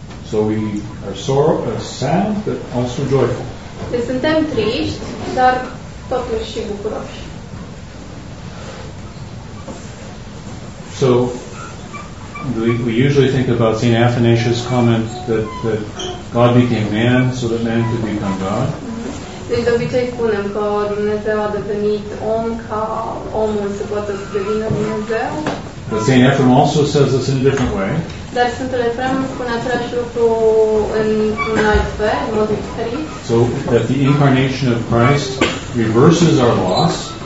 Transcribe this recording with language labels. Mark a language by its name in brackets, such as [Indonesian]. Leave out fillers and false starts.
[English] So we are sorrow, sad, but also joyful. [Romanian] Deci suntem triști, dar totuși și bucuroși. [English] So we usually think about St. Athanasius' comment that God became man so that man could become God. [Romanian] Deci de obicei spunem că Dumnezeu a devenit om ca omul să poată devină Dumnezeu. [English] But St. Ephrem also says this in a different way. [Romanian] Dar Sfântul Efrem spune același lucru în alt fel, în mod diferit. [English] So that the incarnation of Christ reverses our loss.